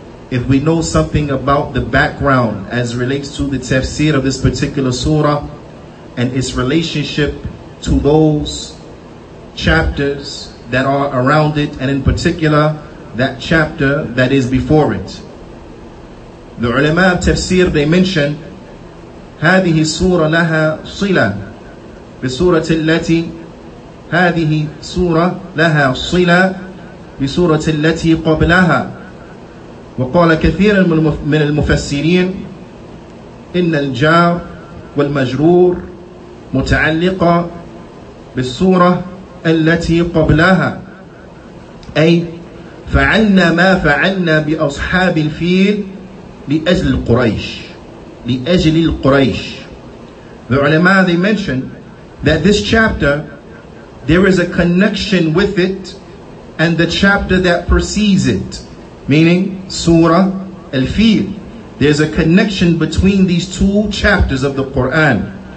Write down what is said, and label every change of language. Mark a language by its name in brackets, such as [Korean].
[English] If we know something about the background as relates to the tafsir of this particular surah and its relationship to those chapters that are around it, and in particular that chapter that is before it. The ulama of tafsir, they mention [Arabic] هذه السورة لها صلة بسورة التي هذه السورة لها صلة بسورة التي قبلها. وقال كثير من المفسرين إن الجار والمجرور متعلقة بالسورة التي قبلها أي فعلنا ما فعلنا بأصحاب الفيل لأجل القريش لأجل القريش. [English] The ulama, they mentioned that this chapter, there is a connection with it and the chapter that precedes it, meaning Surah Al-Fil. There's a connection between these two chapters of the Quran.